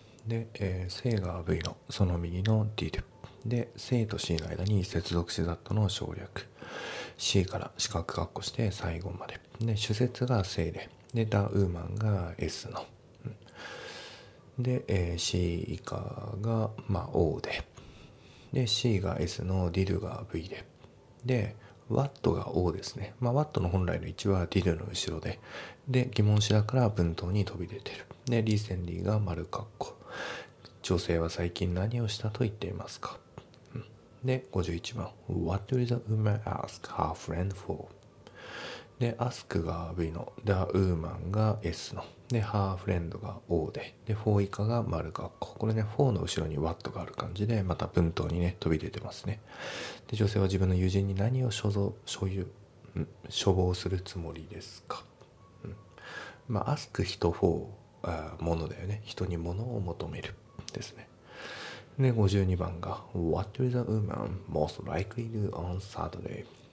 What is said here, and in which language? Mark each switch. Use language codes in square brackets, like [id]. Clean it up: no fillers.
[ja] で、性が V のその右の did で、性と C の間に接続詞だったのを省略、 C から四角括弧して最後まで、で主節が性で、で the woman が S の、で、C 以下が、まあ、O で、で C が S の did が V で、でWhat が O ですね。まあ、What の本来の位置は Did の後ろで。で、疑問詞だから文頭に飛び出てる。で、Recently が丸括弧。女性は最近何をしたと言っていますか、うん、で、51番。 [en] What did the woman ask her friend for? [ja] で、Ask が V の。The woman が S の。で、Her friend が O で。で、For 以下が丸括弧。これね、For の後ろに What がある感じで、また文頭にね、飛び出てますね。で女性は自分の友人に何を処方するつもりですか、うん、まあ、ask 人 for ものだよね。人に物を求めるですね。で、52番が [en] What will the woman most likely do on Saturday?